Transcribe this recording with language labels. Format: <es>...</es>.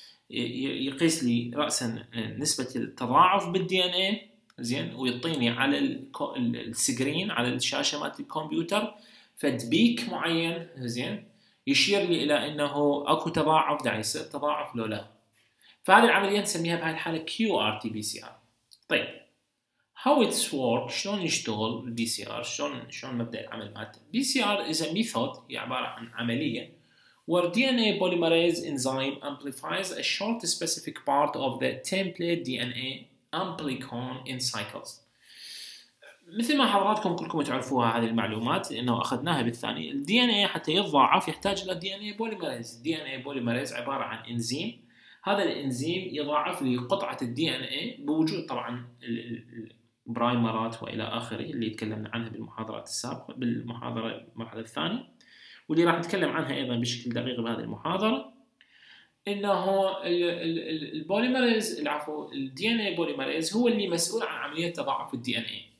<ar>يقيس لي رأساً نسبة التضاعف بالـ DNA زين، ويعطيني على السكرين على الشاشة مالت الكمبيوتر فد بيك معين زين، يشير لي إلى أنه أكو تضاعف، دا يصير تضاعف لو لا. فهذه العملية نسميها بهذه الحالة QRT-PCR.</ar> <en>طيب how it's work،</en> <ar>شلون يشتغل الـ PCR، شلون مبدأ العمل مالته؟</ar> <en>PCR is a method،</en> <ar>هي عبارة عن عملية</ar> <en>where DNA polymerase enzyme amplifies a short specific part of the template DNA amplicon in cycles.</en> <ar>مثل ما حضراتكم كلكم تعرفوها هذه المعلومات لأنه أخذناها بالثانية، الـ DNA حتى يتضاعف يحتاج إلى DNA polymerase. DNA polymerase عبارة عن إنزيم، هذا الإنزيم يضاعف لي قطعة الـ DNA بوجود طبعاً البرايمرات وإلى آخره اللي تكلمنا عنها بالمحاضرات السابقة، بالمحاضرة المرحلة الثانية، واللي راح نتكلم عنها أيضاً بشكل دقيق بهذه المحاضرة، إنه البوليمريز العفو الـ DNA بوليمريز هو اللي مسؤول عن عملية تضاعف الـ DNA.</ar>